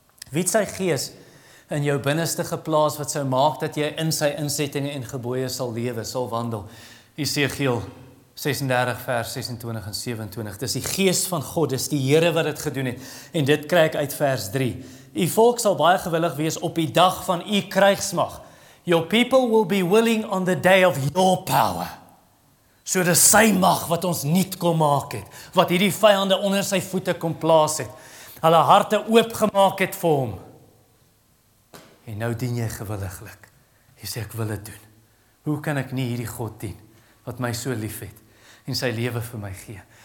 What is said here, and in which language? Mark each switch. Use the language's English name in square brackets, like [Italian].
[Afrikaans] Wie het sy gees in jou binneste geplaas, wat sou maak dat jy in sy insettinge en gebooie sal lewe, sal wandel? Esegiel 36 vers 26 en 27. Dis die gees van God, dis die Here wat dit gedoen het. En dit kry ek uit vers 3. U volk sal baie gewillig wees op die dag van u krygsmag. [English] Your people will be willing on the day of your power. [Afrikaans] So dis sy mag wat ons nuut kom maak het, wat hierdie vyande onder sy voete kom plaas het. Hulle harte oopgemaak het vir hom. En nou dien jy gewilliglik. Jy sê ek wil dit doen. Hoe kan ek nie hierdie God dien wat my so lief het en sy lewe vir my gee?